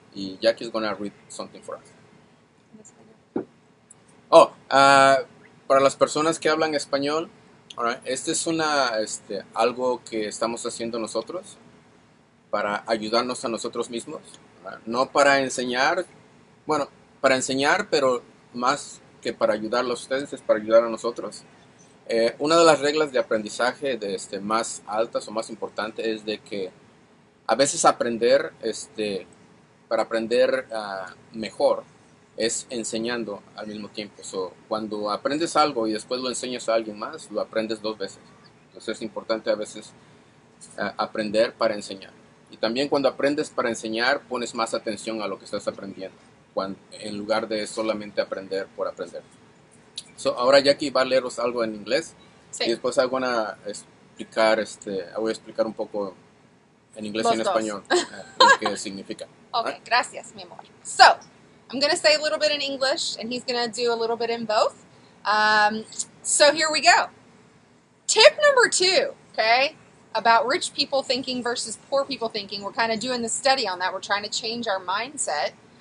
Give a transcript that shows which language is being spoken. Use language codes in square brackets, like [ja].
[en] And Jackie is gonna read something for us. [es] Para las personas que hablan español, alright, este es una algo que estamos haciendo nosotros. Para ayudarnos a nosotros mismos, no para enseñar, bueno, para enseñar, pero más que para ayudarlos a ustedes, es para ayudar a nosotros. Una de las reglas de aprendizaje de más altas o más importante es de que a veces aprender, para aprender mejor, es enseñando al mismo tiempo. So, cuando aprendes algo y después lo enseñas a alguien más, lo aprendes dos veces. Entonces es importante a veces aprender para enseñar. Y también cuando aprendes para enseñar, pones más atención a lo que estás aprendiendo, en lugar de solamente aprender por aprender. So, ahora Jackie va a leeros algo en inglés. Sí. Y después voy a explicar, voy a explicar un poco en inglés Los y en dos. Español lo que significa. [en] Okay, right? [es] Gracias, mi amor. [en] So, I'm going to say a little bit in English, and he's going to do a little bit in both. So, here we go. Tip number two, okay? About rich people thinking versus poor people thinking. We're kind of doing the study on that. We're trying to change our mindset.